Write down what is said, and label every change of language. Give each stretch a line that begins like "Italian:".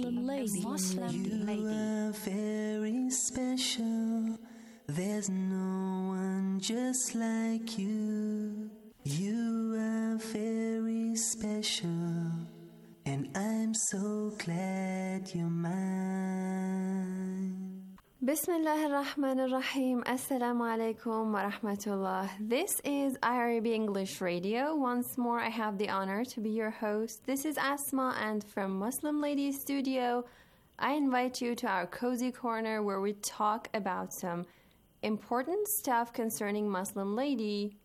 English: You are very special. There's no one just like you. You are very special. And I'm so glad you're mine.
Arabic: بسم الله الرحمن الرحيم السلام عليكم ورحمة الله.
English: This is IRB English Radio. Once more, I have the honor to be your host. This is Asma, and from Muslim Ladies Studio, I invite you to our cozy corner where we talk about some important stuff concerning Muslim Lady.